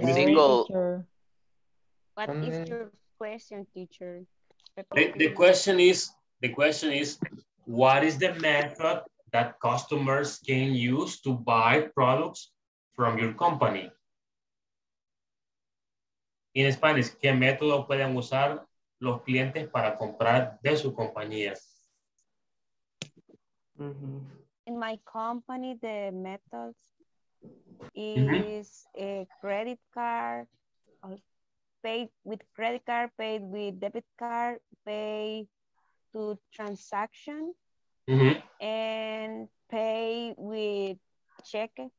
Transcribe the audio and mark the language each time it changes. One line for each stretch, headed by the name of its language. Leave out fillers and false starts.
English: single? What is your question, teacher? The question is, what is the method that customers can use to buy products from your company? In Spanish,
Spanish: ¿qué método pueden usar los clientes para comprar de su compañía?
English: Mm-hmm. In my company, the method is a credit card, paid with credit card, paid with debit card, pay to transaction, and pay with check.